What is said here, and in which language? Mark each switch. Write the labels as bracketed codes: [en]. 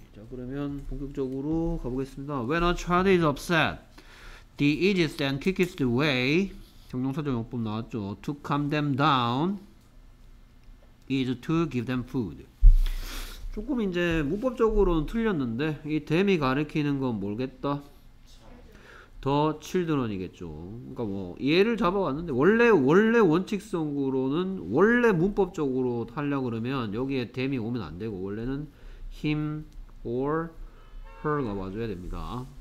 [ko] 자, 그러면 본격적으로 가보겠습니다. [en] When a child is upset, the easiest and quickest way, [ko] 형용사정용법 나왔죠, [en] to calm them down is to give them food. [ko] 조금 이제 문법적으로는 틀렸는데 이 them이 가리키는 건 모르겠다. [en] The children이겠죠. [ko] 그러니까 뭐 얘를 잡아왔는데 원래 원칙성으로는 원래 문법적으로 하려고 그러면 여기에 them이 오면 안 되고 원래는 him or her가 와줘야 됩니다.